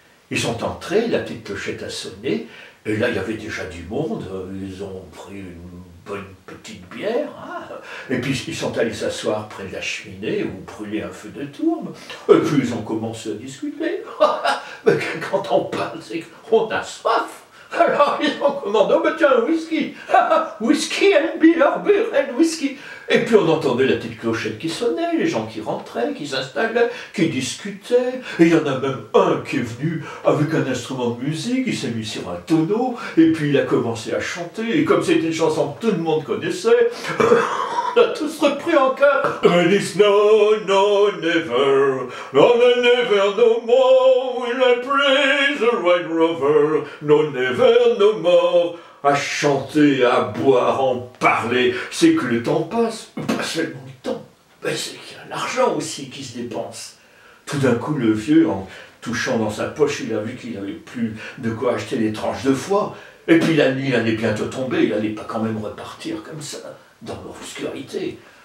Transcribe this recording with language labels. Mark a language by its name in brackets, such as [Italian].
[French] Ils sont entrés, la petite clochette a sonné, et là, il y avait déjà du monde, ils ont pris une bonne petite bière, hein. Et puis ils sont allés s'asseoir près de la cheminée où brûlait un feu de tourbe, et puis ils ont commencé à discuter. Mais quand on parle, c'est qu'on a soif. Alors ils ont commandé, oh, bah, tiens, un whisky. [English] Whisky and beer, beer and whisky. [French] Et puis on entendait la petite clochette qui sonnait, les gens qui rentraient, qui s'installaient, qui discutaient. Et il y en a même un qui est venu avec un instrument de musique, il s'est mis sur un tonneau, et puis il a commencé à chanter. Et comme c'était une chanson que tout le monde connaissait, on a tous repris en cœur. [English] And it's no, no, never, on a never no more, will I praise the Red Rover, no, never no more. [French] À chanter, à boire, en parler, c'est que le temps passe, pas seulement le temps, mais c'est qu'il y a l'argent aussi qui se dépense. Tout d'un coup, le vieux, en touchant dans sa poche, il a vu qu'il n'avait plus de quoi acheter les tranches de foie, et puis la nuit allait bientôt tomber, il n'allait pas quand même repartir comme ça, dans l'obscurité.